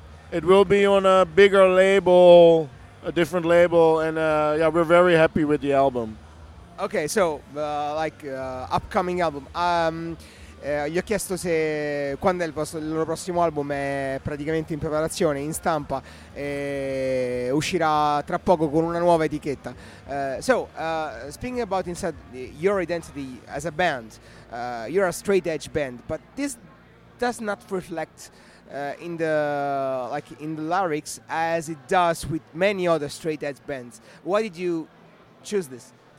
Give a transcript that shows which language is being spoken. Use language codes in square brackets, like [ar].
[en] It will be on a bigger label, a different label, and yeah, we're very happy with the album. Ok, so, upcoming album. [it] Gli ho chiesto se quando è il loro prossimo album, è praticamente in preparazione, in stampa, e uscirà tra poco con una nuova etichetta. [en] Speaking about inside your identity as a band, you're a straight edge band, but this does not reflect in the lyrics as it does with many other straight edge bands. Why did you choose this?